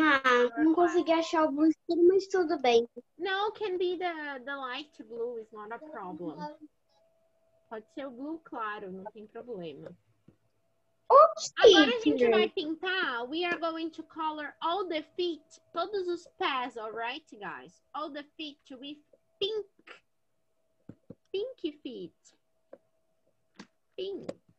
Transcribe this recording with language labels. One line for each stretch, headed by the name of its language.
Portuguese: Ah, não consegui achar o blue escuro, mas tudo bem.
English: No, can be the light blue, is not a problem.
Portuguese: Pode ser o blue claro, não tem problema.
English: Okay.
Portuguese: Agora a gente vai pintar.
English: We are going to color all the feet,
Portuguese: todos os pés,
English: all right, guys? All the feet with pink. Pinky feet. Pink.